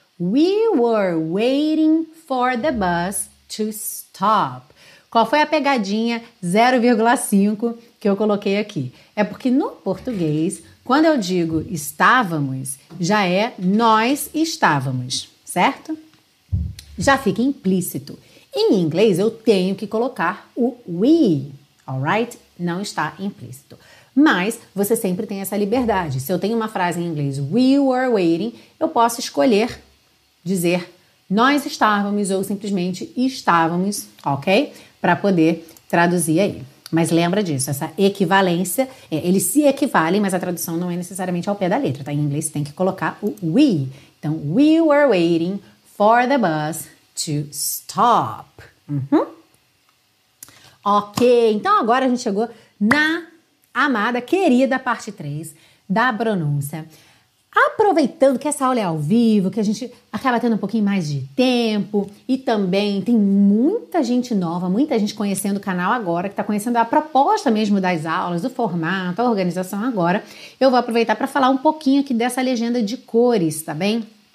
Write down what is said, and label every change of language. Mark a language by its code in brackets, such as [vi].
[en] We were waiting for the bus to stop. [pt] Qual foi a pegadinha 0,5 que eu coloquei aqui? É porque no português, quando eu digo estávamos, já é nós estávamos, certo? Já fica implícito. Em inglês, eu tenho que colocar o we, alright? Não está implícito. Mas você sempre tem essa liberdade. Se eu tenho uma frase em inglês, [en] we were waiting, [pt] eu posso escolher dizer nós estávamos ou simplesmente estávamos, ok? Para poder traduzir aí. Mas lembra disso, essa equivalência, eles se equivalem, mas a tradução não é necessariamente ao pé da letra, tá? Em inglês, tem que colocar o we. Então, [en] we were waiting for the bus to stop. Uhum. [pt] Ok, então agora a gente chegou na amada, querida parte 3 da pronúncia. Aproveitando que essa aula é ao vivo, que a gente acaba tendo um pouquinho mais de tempo e também tem muita gente nova, muita gente conhecendo o canal agora, que está conhecendo a proposta mesmo das aulas, o formato, a organização agora, eu vou aproveitar para falar um pouquinho aqui dessa legenda de cores, tá bem?